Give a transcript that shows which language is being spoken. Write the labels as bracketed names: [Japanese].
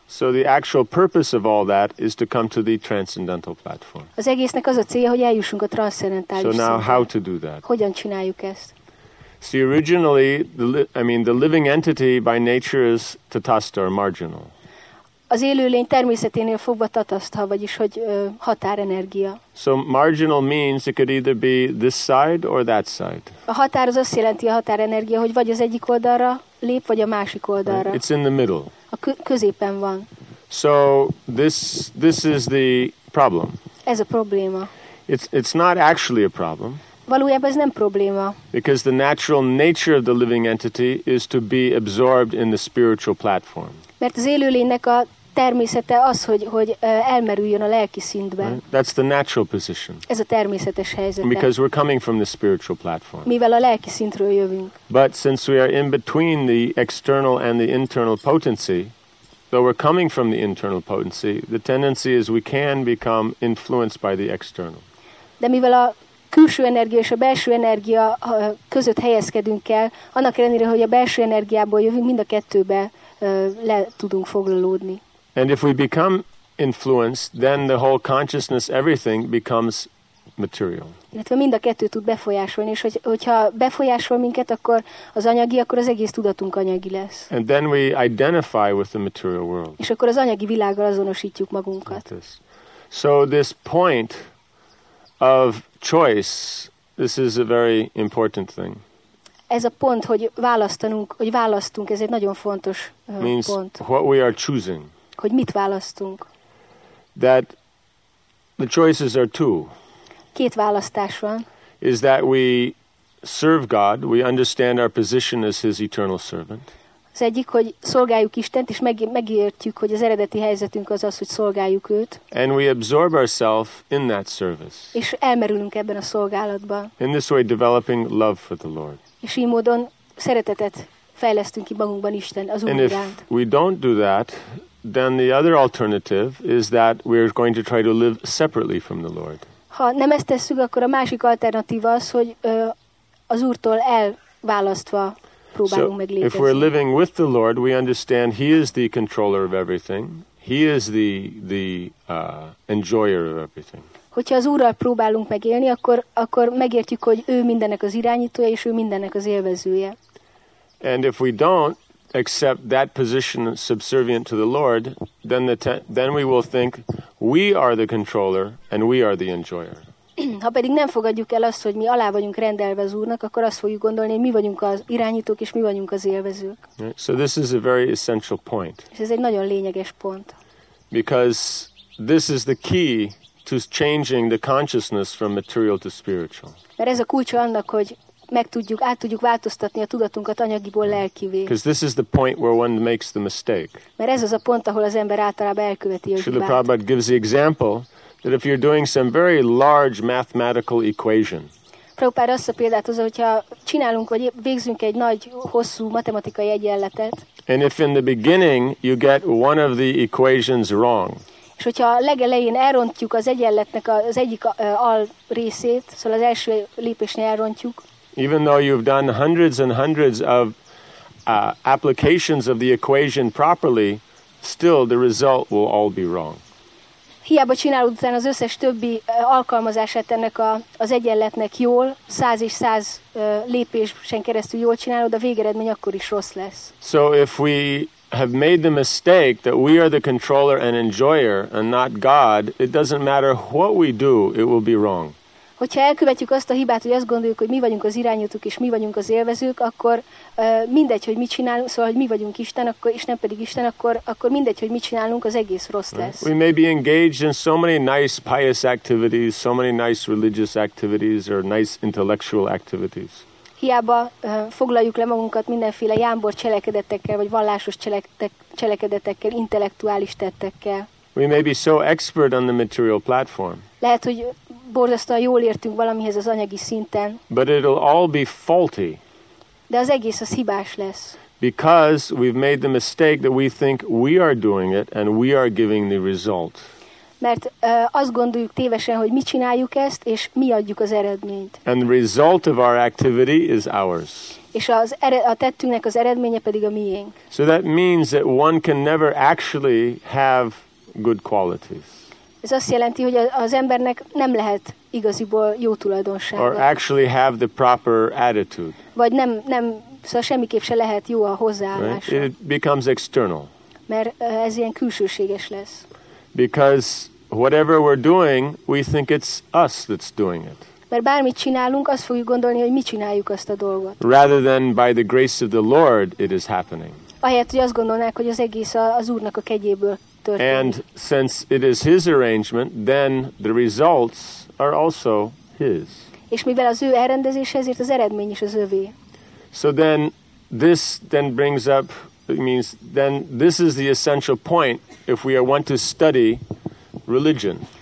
[English] So the actual purpose of all that is to come to the transcendental platform. [Hungarian] Az egésznek az a célja, hogy eljussunk a transzcendentális szintre. [English] So now how to do that? [Hungarian] Hogyan csináljuk ezt? [English] See, originally, the living entity by nature is tatasta or marginal. [Hungarian] Az élőlény természeténél fogva tatasta, vagyis hogy határenergia. [English] So marginal means it could either be this side or that side. [Hungarian] A határ az azt jelenti a határenergia, hogy vagy az egyik oldalra lép, vagy a másik oldalra. [English] It's in the middle. [Hungarian] A középen van. [English] So this is the problem. [Hungarian] Ez a probléma. [English] It's not actually a problem. [Hungarian] Valójában ez nem probléma. [English] Because the natural nature of the living entity is to be absorbed in the spiritual platform. [Hungarian] Mert az élőlénynek a természete az, hogy elmerüljön a lelki szintbe. [English] Right? That's the natural position. [Hungarian] Ez a természetes helyzet. [English] Because we're coming from the spiritual platform. [Hungarian] Mivel a lelki szintről jövünk. [English] But since we are in between the external and the internal potency, though we're coming from the internal potency, the tendency is we can become influenced by the external. [Hungarian] De mivel a külső energia és a belső energia között helyezkedünk el, annak ellenére, hogy a belső energiából jövünk, mind a kettőbe le tudunk foglalódni. [English] And if we become influenced, then the whole consciousness, everything becomes material. [Hungarian] Illetve mind a kettő tud befolyásolni, és hogyha befolyásol minket, akkor az anyagi, akkor az egész tudatunk anyagi lesz. [English] And then we identify with the material world. [Hungarian] És akkor az anyagi világgal azonosítjuk magunkat. [English] So this point of choice, this is a very important thing. [Hungarian] Ez a pont, hogy választunk, ez egy nagyon fontos [English] means [Hungarian] pont. [English] What we are choosing. [Hungarian] Hogy mit választunk. [English] That the choices are two. [Hungarian] Két választás van. [English] Is that we serve God, we understand our position as his eternal servant. [Hungarian] Az egyik, hogy szolgáljuk Istent, és megértjük, hogy az eredeti helyzetünk az az, hogy szolgáljuk őt. [English] And we absorb ourselves in that service. [Hungarian] És elmerülünk ebben a szolgálatban. [English] In this way developing love for the Lord. [Hungarian] És így módon szeretetet fejlesztünk ki magunkban Isten az Úr iránt. [English] And if we don't do that, then the other alternative is that we're going to try to live separately from the Lord. [Hungarian] Ha nem ezt tesszük, akkor a másik alternatíva az, hogy az Úrtól elválasztva próbálunk meglépni. [English] If we're living with the Lord, we understand He is the controller of everything. He is the enjoyer of everything. [Hungarian] Hogyha az Úrral próbálunk megélni, akkor megértjük, hogy ő mindennek az irányítója és ő mindennek az élvezője. [English] And if we don't accept that position subservient to the Lord, then we will think we are the controller and we are the enjoyer. [Hungarian] Ha pedig nem fogadjuk el azt, hogy mi alá vagyunk rendelve az Úrnak, akkor azt fogjuk gondolni, hogy mi vagyunk az irányítók és mi vagyunk az élvezők. [English] So this is a very essential point. [Hungarian] És ez egy nagyon lényeges pont. [English] Because this is the key to changing the consciousness from material to spiritual. [Hungarian] Mert ez a kulcsa annak, hogy át tudjuk változtatni a tudatunkat anyagiból lelkivé. [English] Because this is the point where one makes the mistake. [Hungarian] Mert ez az a pont, ahol az ember általában elköveti a hibát. [English] Srila Prabhupada gives the example that if you're doing some very large mathematical equation. [Hungarian] Prabhupada azt a példát hozza, hogyha csinálunk vagy végzünk egy nagy hosszú matematikai egyenletet. [English] And if in the beginning you get one of the equations wrong. [Hungarian] És hogyha a legelején elrontjuk az egyenletnek az egyik al részét, szóval az első lépésnél elrontjuk. [English] Even though you've done hundreds and hundreds of applications of the equation properly, still the result will all be wrong. [Hungarian] Hiába csinálod utána az összes többi alkalmazását ennek az egyenletnek jól, száz és száz lépésen keresztül jól csinálod, a végeredmény akkor is rossz lesz. [English] So if we have made the mistake that we are the controller and enjoyer and not God, it doesn't matter what we do, it will be wrong. [Hungarian] Hogyha elkövetjük azt a hibát, hogy azt gondoljuk, hogy mi vagyunk az irányítók és mi vagyunk az élvezők, akkor mindegy, hogy mit csinálunk, szóval hogy mi vagyunk Isten, akkor és nem pedig Isten, akkor mindegy, hogy mit csinálunk, az egész rossz lesz. [English] We may be engaged in so many nice pious activities, so many nice religious activities or nice intellectual activities. [Hungarian] Hiába foglaljuk le magunkat mindenféle jámbor cselekedetekkel vagy vallásos cselekedetekkel, intellektuális tettekkel. [English] We may be so expert on the material platform. [Hungarian] Lehet, hogy borzasztóan jól értünk valamihez az anyagi szinten. [English] But it'll all be faulty. [Hungarian] De az egész az hibás lesz. [English] Because we've made the mistake that we think we are doing it and we are giving the result. [Hungarian] Mert azt gondoljuk tévesen, hogy mi csináljuk ezt és mi adjuk az eredményt. [English] And the result of our activity is ours. [Hungarian] És a tettünknek az eredménye pedig a miénk. [English] So that means that one can never actually have good qualities. [Hungarian] Ez azt jelenti, hogy az embernek nem lehet igaziból jó tulajdonsága. [English] Or actually have the proper attitude. [Hungarian] Vagy nem, szóval semmiképp se lehet jó a hozzáállása. [English] Right? It becomes external. [Hungarian] Mert ez ilyen külsőséges lesz. [English] Because whatever we're doing, we think it's us that's doing it. [Hungarian] Mert bármit csinálunk, azt fogjuk gondolni, hogy mi csináljuk azt a dolgot. [English] Rather than by the grace of the Lord, it is happening. [Hungarian] Ahelyett, hogy azt gondolnák, hogy az egész az Úrnak a kegyéből. [English] And since it is his arrangement, then the results are also his. [Hungarian] És mivel az ő elrendezése, ezért az eredmény is az övé. [English] So then this then brings up, it means then this is the essential point if we want to study religion.